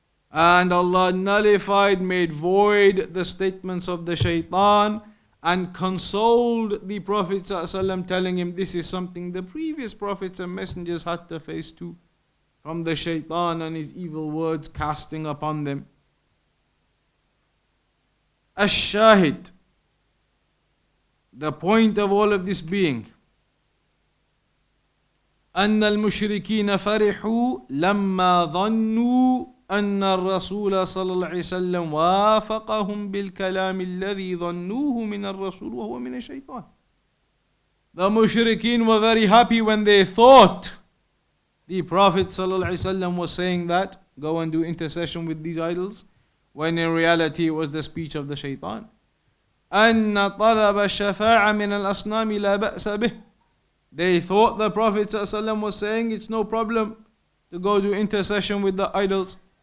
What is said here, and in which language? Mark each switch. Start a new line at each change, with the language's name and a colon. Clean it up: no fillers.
English: And Allah nullified, made void the statements of the shaitan, and consoled the Prophet ﷺ, telling him this is something the previous prophets and messengers had to face too, from the shaitan and his evil words casting upon them.
Arabic: Ash-shahid,
English: the point of all of this being,
Arabic: أَنَّ الْمُشْرِكِينَ فَرِحُوا لَمَّا ظَنُّوا أن الرسول صلى الله عليه وسلم وافقهم بالكلام الذي ظنوه من الرسول وهو من الشيطان.
English: The mushrikeen were very happy when they thought the Prophet صلى الله عليه وسلم was saying that, go and do intercession with these idols, when in reality it was the speech of the shaitan.
Arabic: أن طلب الشفاعة من الأصنام لا بأس به.
English: They thought the Prophet صلى الله عليه وسلم was saying it's no problem to go do intercession with the idols.